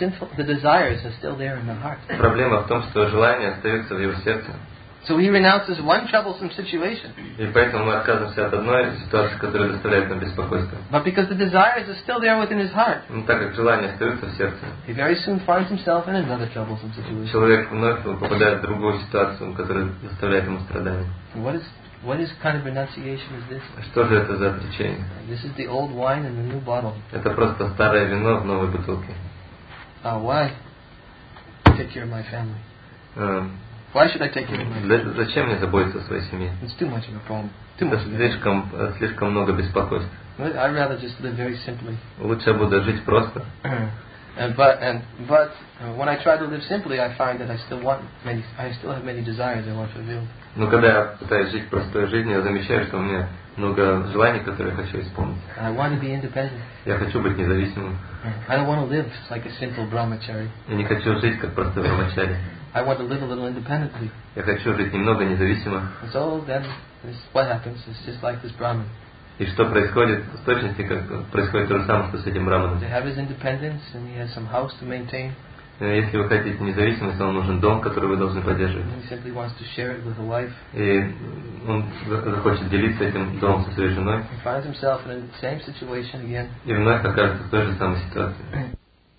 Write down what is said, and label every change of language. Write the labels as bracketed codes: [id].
[ru] Проблема в том, что желание остается в его сердце. [en] So he renounces one troublesome situation. [ru] И поэтому мы отказываемся от одной ситуации, которая доставляет нам беспокойство. [en] But because the desires are still there within his heart. [ru] Но так как желания остаются в сердце. [en] He very soon finds himself in another troublesome situation. [ru] Человек вновь попадает в другую ситуацию, которая доставляет ему страдания. [en] What is kind of renunciation is this? [ru] Что же это за отречение? [en] This is the old wine in the new bottle. [ru] Это просто старое вино в новой бутылке. [en] Why take care of my family? Why should I take care of my family? [ru] Зачем мне заботиться о своей семье? [en] It's too much of a problem. Too much. [ru] Слишком много беспокойств. [en] I'd rather just live very simply. [ru] Лучше буду жить просто. [en] But when I try to live simply, I find that I still have many desires I want fulfilled. [ru] Но когда я пытаюсь жить простой жизнью, я замечаю, что у меня много желаний, которые я хочу исполнить. [en] I want to be independent. [ru] Я хочу быть независимым. [en] I don't want to live like a simple brahmachari. [ru] Я не хочу жить как простой брахмачари. [en] I want to live a little independently. [ru] Я хочу жить немного независимо. [en] So then, what happens is just like this Brahmin. [ru] И что происходит в точности, как происходит то же самое, что с этим Брахманом. [en] He has his independence and he has some house to maintain. [ru] Если вы хотите независимость, вам нужен дом, который вы должны поддерживать. [en] He simply wants to share it with a wife. [ru] И он захочет делиться этим домом со своей женой. [en] He finds himself in the same situation again. [ru] И вновь окажется в той же самой ситуации.